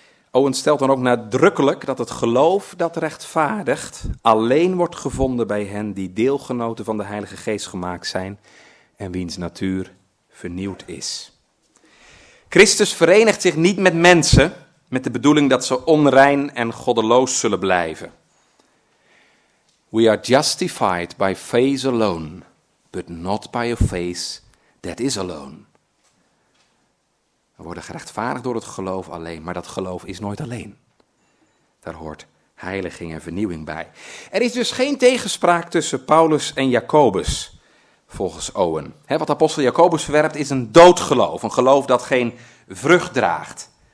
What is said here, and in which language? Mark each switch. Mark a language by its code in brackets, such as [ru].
[nl] Owen stelt dan ook nadrukkelijk dat het geloof dat rechtvaardigt alleen wordt gevonden bij hen die deelgenoten van de Heilige Geest gemaakt zijn en wiens natuur vernieuwd is. Christus verenigt zich niet met mensen met de bedoeling dat ze onrein en goddeloos zullen blijven. [en] We are justified by faith alone, but not by a faith that is alone. [nl] We worden gerechtvaardigd door het geloof alleen, maar dat geloof is nooit alleen. Daar hoort heiliging en vernieuwing bij. Er is dus geen tegenspraak tussen Paulus en Jacobus, volgens Owen. Wat apostel Jacobus verwerpt is een doodgeloof, een geloof dat geen vrucht draagt.